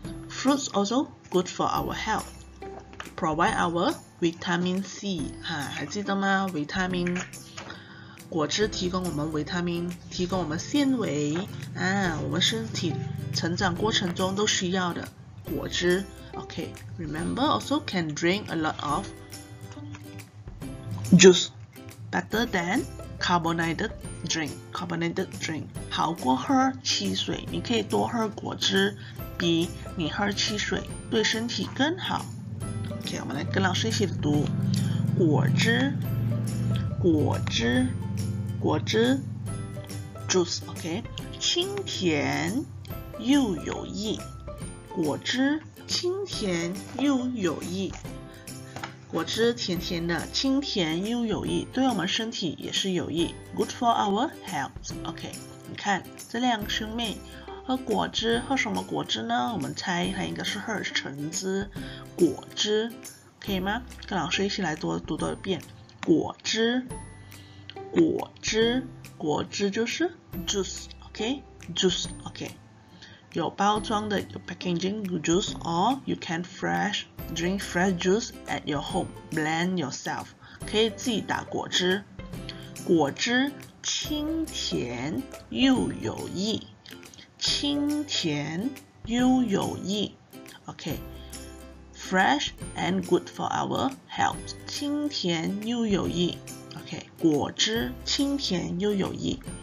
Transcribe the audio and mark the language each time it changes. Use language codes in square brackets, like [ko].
[en] Fruits also good for our health, provide our vitamin C、啊、 [zh] 还记得吗？ vitamin 果汁提供我们 vitamin, 提供我们纤维、啊、我们身体成长过程中都需要的果汁。 [en] OK, remember also can drink a lot of juice, better than carbonated drink. Carbonated drink [zh] 好过喝汽水，你可以多喝果汁，比你喝汽水对身体更好。 OK, 我们来跟老师一起读。果汁，果汁，果汁 juice, OK, 清甜又有益，果汁清甜又有益，果汁甜甜的，清甜又有益，对我们身体也是有益。 [en] Good for our health. [zh] OK, 你看这两兄妹喝果汁，喝什么果汁呢？我们猜它应该是喝橙汁，果汁，可以吗？跟老师一起来多读多一遍。果汁，果汁，果汁就是 juice. [en] OK, juice. OK. [zh] 有包装的 [en] packaging juice, or you can fresh drink fresh juice at your home, blend yourself, [zh] 可以自己打果汁。果汁清甜又有益，清甜又有益， OK, [en] fresh and good for our health, [zh] 清甜又有益， OK, 果汁清甜又有益。